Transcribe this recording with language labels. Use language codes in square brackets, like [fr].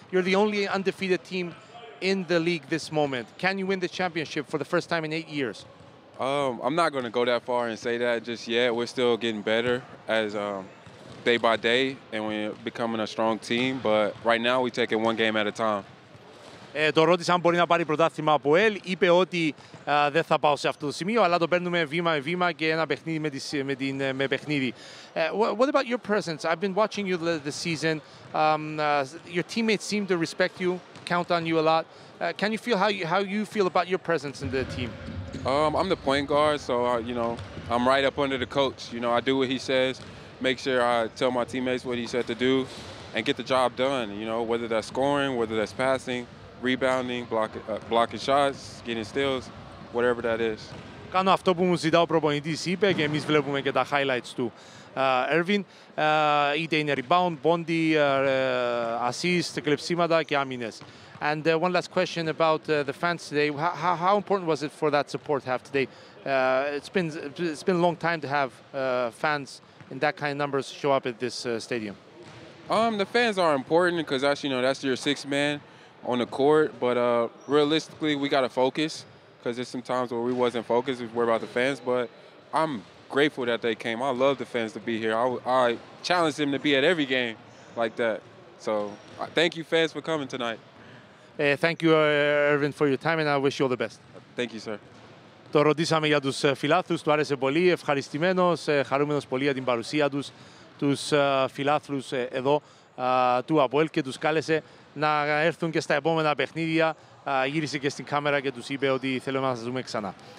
[en] You're the only undefeated team in the league this moment. Can you win the championship for the first time in 8 years? I'm not going to go that far and say that just yet. We're still getting better as day by day, and we're becoming a strong team. But right now, we take it one game at a time. [el] Το ρώτησα αν μπορεί να πάρει πρωτάθλημα από ΕΛ. Είπε ότι δεν θα πάω σε αυτό το σημείο, αλλά το παίρνουμε βήμα με βήμα και ένα παιχνίδι με παιχνίδι. [en] What about your presence? I've been watching you this season. Your teammates seem to respect you, count on you a lot. Can you feel how you feel about your presence in the team? I'm the point guard, so I'm right up under the coach. You know, I do what he says, make sure I tell my teammates what he said to do, and get the job done. You know, whether that's scoring, whether that's passing, rebounding, blocking shots, getting steals, whatever that is. [el] Κάνω αυτό που μου ζητά ο προπονητής, είπε, και εμείς βλέπουμε και τα highlights του. Ερβιν, είτε είναι rebound, bondy, assist, κλεψίματα και άμυνες. [en] And one last question about the fans today. How important was it for that support to have today? It's been a long time to have fans in that kind of numbers show up at this stadium. The fans are important because, as you know, that's your sixth man on the court. But realistically, we got to focus because there's some times where we wasn't focused. We worry about the fans. But I'm grateful that they came. I love the fans to be here. I challenge them to be at every game like that. So thank you, fans, for coming tonight. Thank you, Ervin, for your time, and I wish you all the best. Thank you, sir. [el] Το ρωτήσαμε για τους φιλάθλους, του άρεσε πολύ, ευχαριστημένος, χαρούμενος πολύ για την παρουσία τους, τους φιλάθλους εδώ, του ΑΠΟΕΛ, και τους κάλεσε να έρθουν και στα επόμενα παιχνίδια. Γύρισε και στην κάμερα και τους είπε ότι θέλουμε να σας δούμε ξανά.